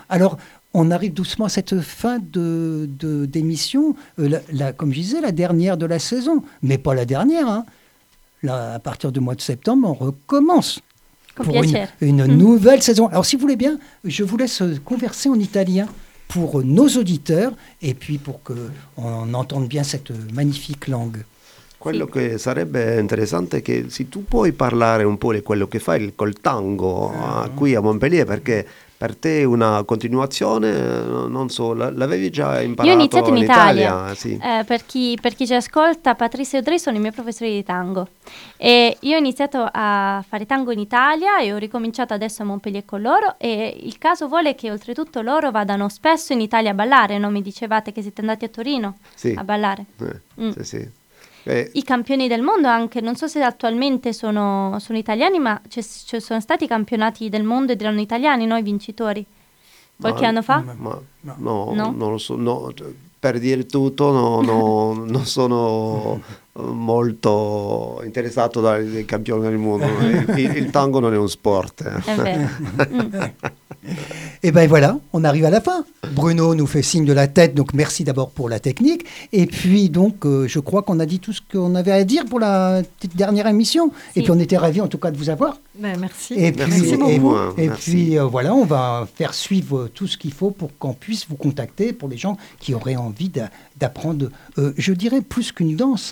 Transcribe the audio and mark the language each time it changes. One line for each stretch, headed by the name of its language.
French: Alors, on arrive doucement à cette fin d'émission, comme je disais, la dernière de la saison, mais pas la dernière, hein. Là, à partir du mois de septembre, on recommence pour une nouvelle saison. Alors, si vous voulez bien, je vous laisse converser en italien pour nos auditeurs et puis pour qu'on entende bien cette magnifique langue.
Italian: Quello che sarebbe interessante è che se tu puoi parlare un po' di quello che fai col tango qui a Montpellier, perché per te è una continuazione, non so, l'avevi già imparato. Io ho iniziato in Italia, per chi ci ascolta, Patrice e Audrey sono i miei professori di tango. E io ho iniziato a fare tango in Italia e ho ricominciato adesso a Montpellier con loro e il caso vuole che oltretutto loro vadano spesso in Italia a ballare, non mi dicevate che siete andati a Torino a ballare? Sì. I campioni del mondo anche, non so se attualmente sono italiani, ma ci sono stati campionati del mondo ed erano italiani, no? I vincitori, qualche anno fa? No, non lo so, no, per dire tutto non sono molto interessato dai campioni del mondo, il tango non è un sport. È vero.
French: Et ben voilà, on arrive à la fin. Bruno nous fait signe de la tête, donc merci d'abord pour la technique. Et puis donc, je crois qu'on a dit tout ce qu'on avait à dire pour la dernière émission. Si. Et puis on était ravis en tout cas de vous avoir. Ben, merci. Et merci puis, beaucoup. Et puis voilà, on va faire suivre tout ce qu'il faut pour qu'on puisse vous contacter pour les gens qui auraient envie d'apprendre, je dirais, plus qu'une danse.